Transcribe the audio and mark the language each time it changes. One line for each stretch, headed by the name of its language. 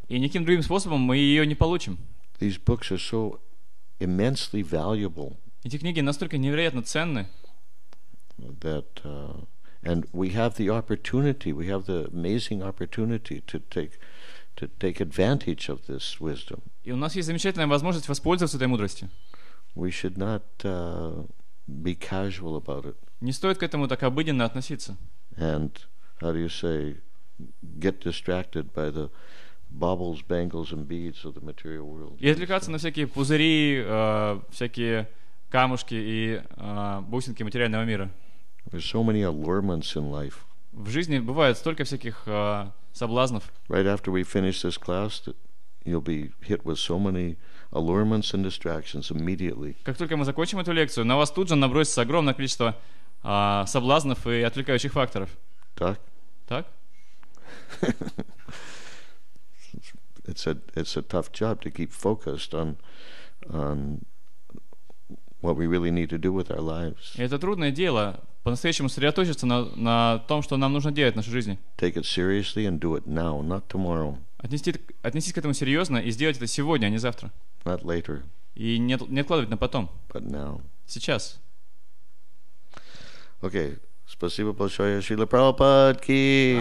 Russian: И никаким другим способом мы ее не получим.
English: These books are so immensely valuable.
Russian: Эти книги настолько невероятно ценны.
English: that and we have the opportunity, we have the amazing opportunity to take advantage of this wisdom.
Russian: И у нас есть замечательная возможность воспользоваться этой мудростью.
English: We should not be casual about it.
Russian: Не стоит к этому так обыденно относиться.
English: And how do you say, get distracted by the baubles, bangles, and beads of the material world.
Russian: И отвлекаться на всякие пузыри, всякие камушки и бусинки материального мира.
English: There's so many allurements in life.
Russian: В жизни бывает столько всяких соблазнов.
English: Right after we finish this class, you'll be hit with so many allurements and distractions immediately.
Russian: Как только мы закончим эту лекцию, на вас тут же набросится огромное количество соблазнов и отвлекающих факторов. Так? Так?
English: It's a tough job to keep focused on what we really need to do with our lives.
Russian: Это трудное дело по-настоящему сосредоточиться на том, что нам нужно делать в нашей жизни.
English: Take it seriously and do it now, not tomorrow.
Russian: Отнестись к этому серьезно и сделать это сегодня, а не завтра.
English: Not later.
Russian: И не откладывать на потом.
English: But now.
Russian: Сейчас.
English: Okay.
Russian: Спасибо большое, Шрила Прабхупад ки.